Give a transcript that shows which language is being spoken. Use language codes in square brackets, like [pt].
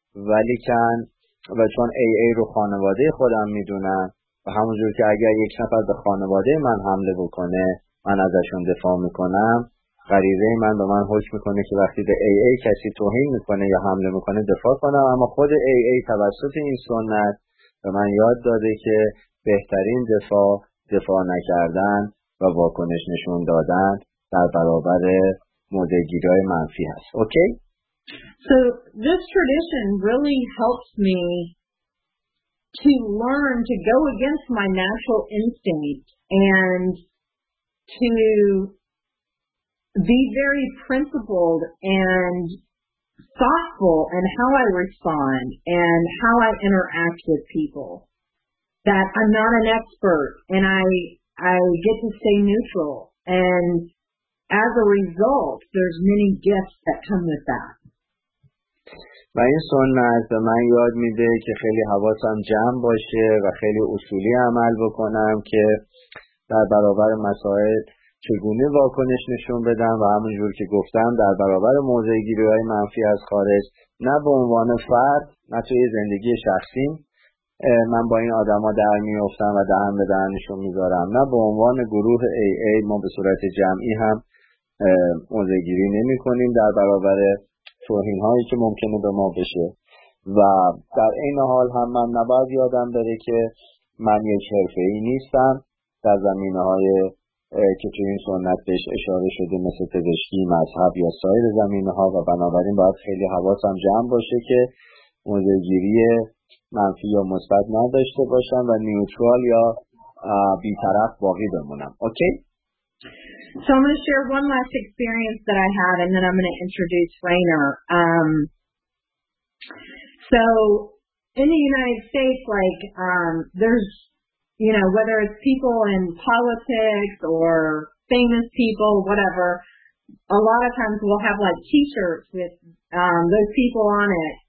[fa] ولیکن و چون AA رو خانواده خودم میدونن و همونجور که اگر یک نفر به خانواده من حمله بکنه من ازشون دفاع میکنم غریزه من به من حکم میکنه که وقتی به AA کسی توهین میکنه یا حمله میکنه دفاع کنم اما خود AA توسط این سنت به من یاد داده که بهترین دفاع دفاع نکردن و واکنش نشون دادن در برابر مدگیری منفی هست. [en] Okay? So this tradition really helps me to learn to go against my natural instinct and to be very principled and thoughtful in how I respond and how I interact with people. That I'm not an expert and I get to stay neutral. And as a result, there's many gifts that come with that. [fa] و این سنت به من یاد میده که خیلی حواسم جمع باشه و خیلی اصولی عمل بکنم که در برابر مسائل چگونه واکنش نشون بدم و همون جور که گفتم در برابر موضع گیری های منفی از خارج نه به عنوان فرد نه توی زندگی شخصی من با این آدم ها در می افتم و دهن به دهنشون می دارم نه به عنوان گروه AA ما به صورت جمعی هم موضع گیری نمی کنیم در برابر توهین هایی که ممکنه به ما بشه و در این حال هم من نباید یادم بره که من یک حرفه ای نیستم در زمینه های که توی این سنت بهش اشاره شده مثل پزشکی، مذهب یا سایر زمینه‌ها و بنابراین باید خیلی حواسم جمع باشه که موضع‌گیری منفی یا مثبت نداشته باشم و نیوترال یا بی‌طرف باقی بمونم. [en] Okay? So I'm going to share one last experience that I had and then I'm going to introduce Raina. So in the United States, like there's you know, whether it's people in politics or famous people, whatever, a lot of times we'll have, like, T-shirts with those people on it.